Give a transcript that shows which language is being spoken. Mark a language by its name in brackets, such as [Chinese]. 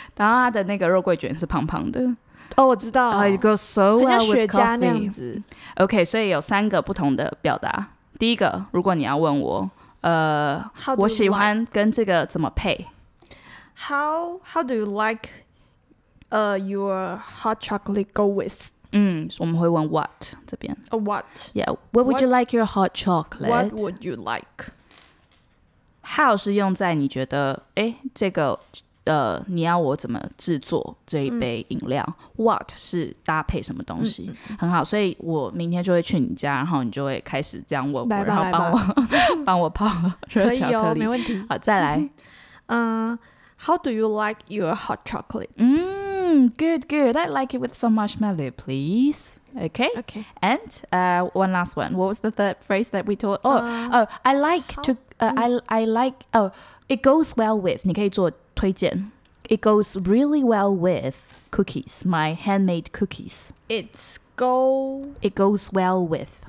[Chinese] 然后它的那个肉桂卷是胖胖的哦、oh, 我知道、 [English] It goes so well with coffee [Chinese] 像雪茄那样子 OK 所以有三个不同的表达第一个如果你要问我 [English] like? [Chinese] 我喜欢跟这个怎么配 [English] How do you like your hot chocolate go with [Chinese] 我们会问 what 这边 [English] what Yeah What would you like your hot chocolate What would you like [Chinese] How 是用在你觉得诶这个你要我怎么制作这一杯饮料、嗯、What 是搭配什么东西、嗯嗯、很好所以我明天就会去你家然后你就会开始这样问我来吧然后帮我帮我泡热巧克力可以哦没问题好再来 [English] How do you like your hot chocolate? Good good I like it with some marshmallow please Okay Okay. And one last one What was the third phrase that we taught? I like to I like it goes well with [Chinese] 你可以做推荐 [English] It goes really well with cookies My handmade cookies It goes well with